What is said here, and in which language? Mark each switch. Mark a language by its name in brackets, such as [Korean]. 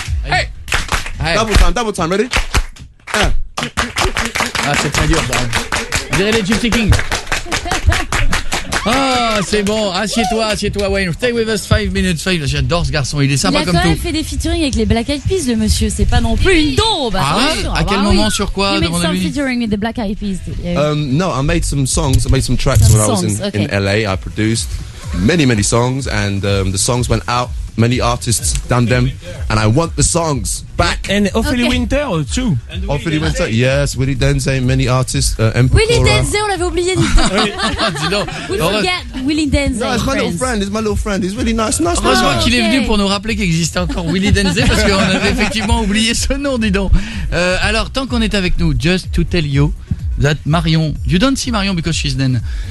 [English] Hey. Double time, ready? [French] Ah, c'est très dur. On dirait les Gypsy Kings. Ah, oh, c'est bon. Assieds-toi, Wayne. [English] Stay with us 5 minutes. [French] J'adore ce garçon. Il est sympa comme tout. Il a quand même fait des featuring avec les Black Eyed Peas, le monsieur. C'est pas non plus une daube. Ah, à quel moment, sur quoi? [English] You made some featuring with the Black Eyed Peas. No, I made some songs. I made some tracks some when songs. I was in LA. I produced many, many songs, and the songs went out. Many artists done them, and I want the songs back. And Ophelia okay. Winter too. Ophelia Winter, yes. Willy Denze, many artists. [French] Willy Denze, on l'avait oublié. Dis donc. [English] We forget Willy Denze. No, it's my little friend. He's really nice. Nice. [French] Heureusement qu'il est venu pour nous rappeler qu'il existait encore Willy Denze, parce qu'on avait effectivement oublié ce nom. Dis donc. Alors, tant qu'on est avec nous, [English] just to tell you. That Marion, you don't see Marion because she's then.